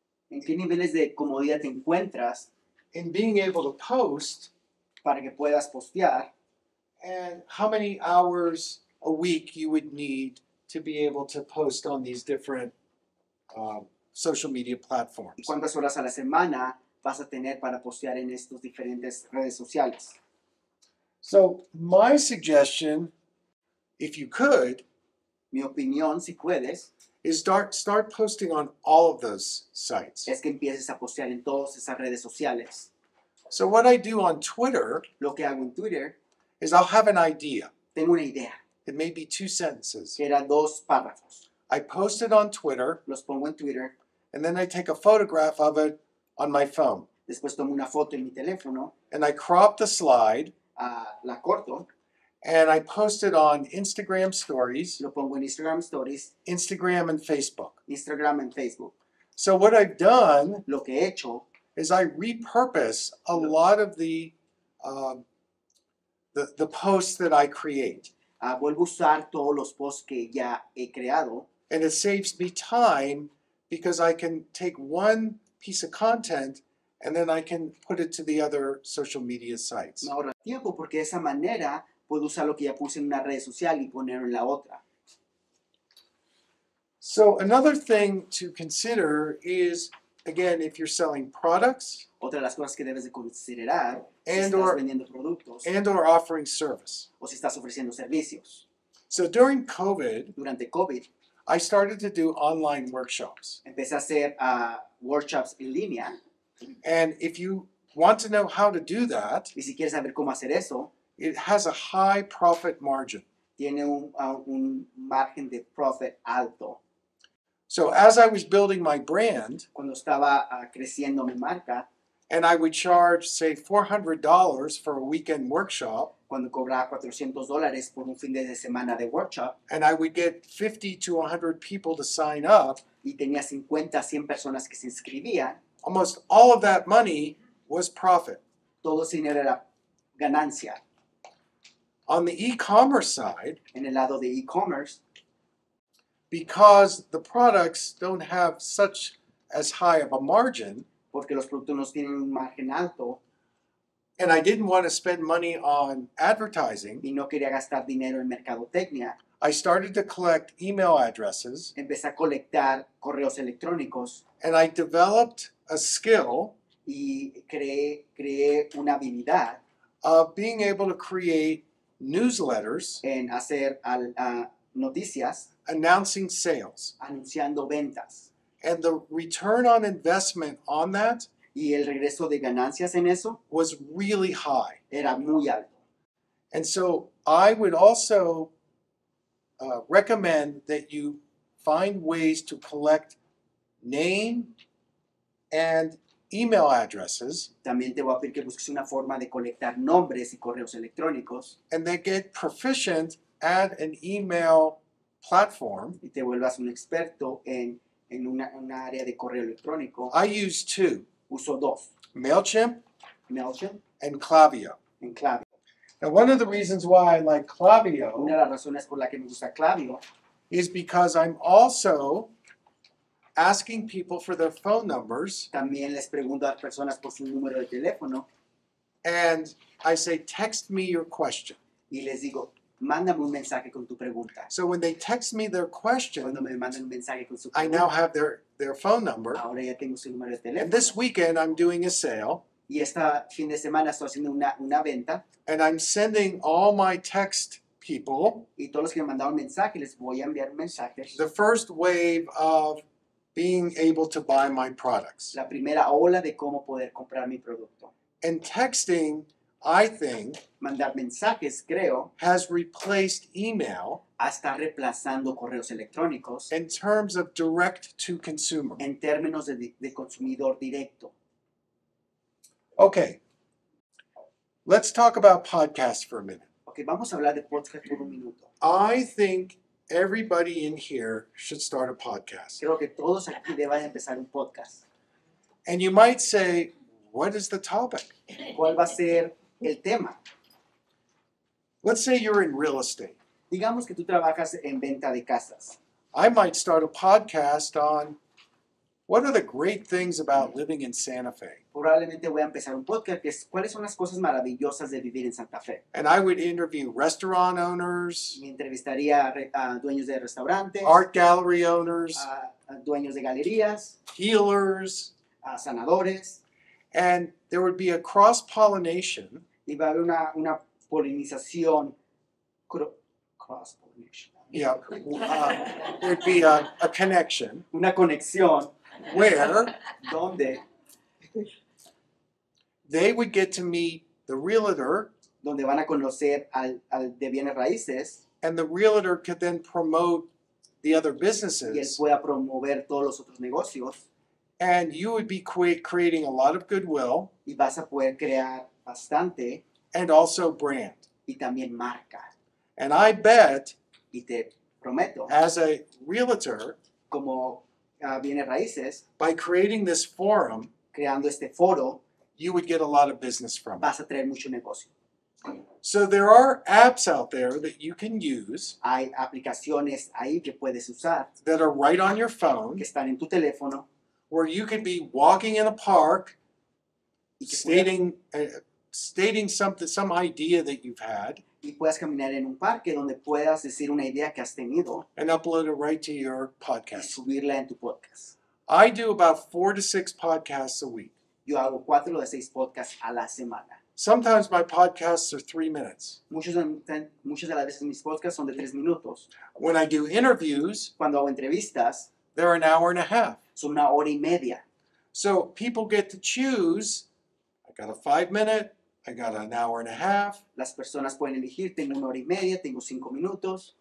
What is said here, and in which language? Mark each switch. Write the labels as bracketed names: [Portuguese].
[Spanish] En qué niveles de comodidad te encuentras. [English] In being able to post. [Spanish] Para que puedas postear. [English] And how many hours a week you would need to be able to post on these different social media platforms. [Spanish] Y cuántas horas a la semana vas a tener para postear en estas diferentes redes sociales. [English] So my suggestion, if you could, [Spanish] mi opinión, si puedes, [English] is start posting on all of those sites. [Spanish] Es que empieces a postear en todas esas redes sociales. [English] So what I do on Twitter, [Spanish] lo que hago en Twitter, [English] is I'll have an idea. [Spanish] Tengo una idea. [English] It may be 2 sentences. [Spanish] Que eran 2 párrafos. [English] I post it on Twitter. [Spanish] Los pongo en Twitter. [English] And then I take a photograph of it on my phone. [Spanish] Después tomo una foto en mi teléfono. [English] And I crop the slide. [Spanish] La corto. [English] And I post it on Instagram stories. [Spanish] Lo pongo en Instagram stories. [English] Instagram and Facebook. [Spanish] Instagram and Facebook. [English] So what I've done, [Spanish] lo que he hecho, [English] is I repurpose a lot of the posts that I create. [Spanish] Vuelvo a usar todos los posts que ya he creado. [English] And it saves me time because I can take one piece of content and then I can put it to the other social media sites. [Spanish] Me ahorra tiempo porque de esa manera puedo usar lo que ya puse en una red social y ponerlo en la otra. [English] So another thing to consider is, again, if you're selling products, [Spanish] otra de las cosas que debes de considerar, si estás vendiendo productos, [English] and or offering service, [Spanish] o si estás ofreciendo servicios. [English] So during COVID, [Spanish] durante COVID, [English] I started to do online workshops. [Spanish] Empecé a hacer workshops en línea. [English] And if you want to know how to do that, [Spanish] y si quieres saber cómo hacer eso, [English] it has a high profit margin. [Spanish] Tiene un margen de profit alto. [English] So as I was building my brand, [Spanish] cuando estaba creciendo mi marca, [English] and I would charge, say, $400 for a weekend workshop, [Spanish] cuando cobraba $400 por un fin de semana de workshop, [English] and I would get 50 to 100 people to sign up, [Spanish] y tenía 50 a 100 personas que se inscribían, [English] almost all of that money was profit. [Spanish] Todo ese dinero era ganancia. [English] On the e-commerce side, [Spanish] en el lado de e-commerce, [English] because the products don't have such as high of a margin, [Spanish] porque los productos no tienen un margen alto, [English] and I didn't want to spend money on advertising, [Spanish] y no quería gastar dinero en mercadotecnia, [English] I started to collect email addresses, [Spanish] empecé a colectar correos electrónicos, [English] and I developed a skill, [Spanish] y creé una habilidad, [English] of being able to create newsletters, [Spanish] en hacer noticias, [English] announcing sales, [Spanish] anunciando ventas, [English] and the return on investment on that, [Spanish] y el regreso de ganancias en eso, [English] was really high. [Spanish] Era muy alto. [English] And so I would also recommend that you find ways to collect name and email addresses. [Spanish] También te voy a pedir que busques una forma de colectar nombres y correos electrónicos. [English] And then get proficient at an email platform. [Spanish] Y te vuelvas un experto en un área de correo electrónico. [English] I use two. [Spanish] Uso dos. [English] MailChimp. And Klaviyo. En Klaviyo. Now, one of the reasons why I like Klaviyo, [Spanish] una de las razones por la que me gusta Klaviyo, [English] is because I'm also asking people for their phone numbers. [Spanish] También les pregunto a las personas por su número de teléfono. [English] And I say, text me your question. [Spanish] Y les digo, mándame un mensaje con tu pregunta. [English] So when they text me their question, [Spanish] cuando me mandan un mensaje con su [English] pregunta, I now have their phone number. [Spanish] Ahora ya tengo su número de teléfono. [English] And this weekend I'm doing a sale. [Spanish] Y este fin de semana estoy haciendo una venta. [English] And I'm sending all my text people. [Spanish] Y todos los que me mandaron mensaje, les voy a enviar mensajes. [English] The first wave of being able to buy my products. [Spanish] La primera ola de cómo poder comprar mi producto. [English] And texting, I think, [Spanish] mandar mensajes, creo, [English] has replaced email, [Spanish] hasta reemplazando correos electrónicos, [English] in terms of direct to consumer. [Spanish] En términos de consumidor directo. [English] Okay. Let's talk about podcasts for a minute. [Spanish] Okay, vamos a hablar de podcast por un minuto. [English] I think everybody in here should start a podcast. [Spanish] Creo que todos aquí deben empezar un podcast. [English] And you might say, what is the topic? [Spanish] ¿Cuál va a ser el tema? [English] Let's say you're in real estate. [Spanish] Digamos que tú trabajas en venta de casas. [English] I might start a podcast on what are the great things about living in Santa Fe. [Spanish] Probablemente voy a empezar un podcast que es cuáles son las cosas maravillosas de vivir en Santa Fe. [English] And I would interview restaurant owners. [Spanish] Me entrevistaría a dueños de restaurantes. [English] Art gallery owners. [Spanish] A dueños de galerías. [English] Healers. [Spanish] A sanadores. [English] And there would be a cross-pollination. [Spanish] Y va a haber una polinización. Cross-pollination. [English] Yeah. There would be a connection. [Spanish] Una conexión. [English] Where? [Spanish] Donde? [English] They would get to meet the realtor. [Spanish] Donde van a conocer al de bienes raíces. [English] And the realtor could then promote the other businesses. [Spanish] Y él pueda promover todos los otros negocios. [English] And you would be creating a lot of goodwill. [Spanish] Y vas a poder crear bastante. [English] And also brand. [Spanish] Y también marca. [English] And I bet. [Spanish] Y te prometo. [English] As a realtor. [Spanish] Como bienes raíces. [English] By creating this forum. [Spanish] creando este foro, [English] you would get a lot of business from [Spanish] vas a traer mucho negocio. [English] So there are apps out there that you can use. [Spanish] Hay aplicaciones ahí que puedes usar [English] that are right on your phone. [Spanish] Que están en tu teléfono. [English] Where you could be walking in a park, stating something, some idea that you've had. [Spanish] Y puedas caminar en un parque donde puedas decir una idea que has tenido. [English] And upload it right to your podcast. [Spanish] Y subirla en tu podcast. [English] I do about 4 to 6 podcasts a week. [Spanish] Yo hago 4 to 6 podcasts a la semana. [English] Sometimes my podcasts are 3 minutes. [Spanish] Muchas de las veces mis podcasts son de 3 minutos. [English] When I do interviews, [Spanish] cuando hago entrevistas, [English] they're an hour and a half. [Spanish] Son una hora y media. [English] So people get to choose, I got a 5 minute, I got an hour and a half. [Spanish] Las personas pueden elegir, tengo una hora y media, tengo 5 minutos.